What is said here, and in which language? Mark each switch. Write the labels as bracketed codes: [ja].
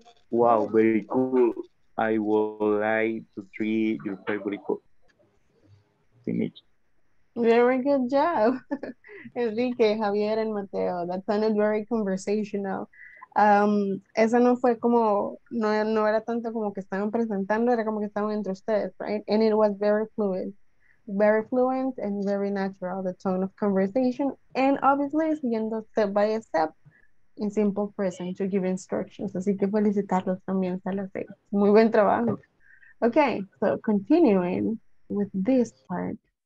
[en] Wow, very cool. I would like to try your favorite food. Finish. Very good job. Enrique, Javier and Mateo, that sounded very conversational. [es] Esa no fue como, no era tanto como que estaban presentando, era como que estaban entre ustedes, right? [en] And it was very fluent and very natural, the tone of conversation. And obviously, siguiendo step by step, in simple present to give instructions. [es] Así que felicitarlos también, Salafé. Muy buen trabajo. [en] Okay, so continuing with this part.